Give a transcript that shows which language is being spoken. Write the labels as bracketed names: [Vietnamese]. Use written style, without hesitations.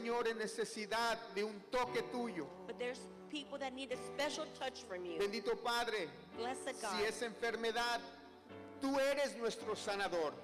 [Spanish] Señor, en necesidad de un toque tuyo. [English] But there's people that need a special touch from you. [Spanish] Bendito Padre, [English] blessed God. [Spanish] Si es enfermedad, tú eres nuestro sanador.